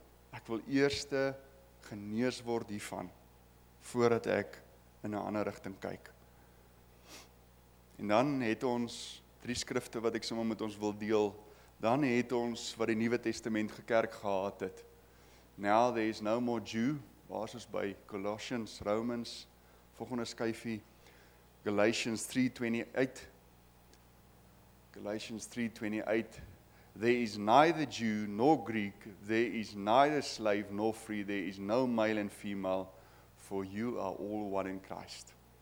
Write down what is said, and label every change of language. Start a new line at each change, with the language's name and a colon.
Afrikaans: Ek wil eerste genees word hiervan, voordat ek in 'n ander rigting kyk. En dan het ons drie skrifte wat ek sommer met ons wil deel. Dan het ons wat die Nuwe Testament gekerk gehad het.
English: Now there is no more Jew,
Afrikaans: waar ons by
English: Colossians, Romans,
Afrikaans: volgende skyfie,
English: Galatians 3:28, there is neither Jew nor Greek, there is neither slave nor free, there is no male and female, for you are all one in Christ.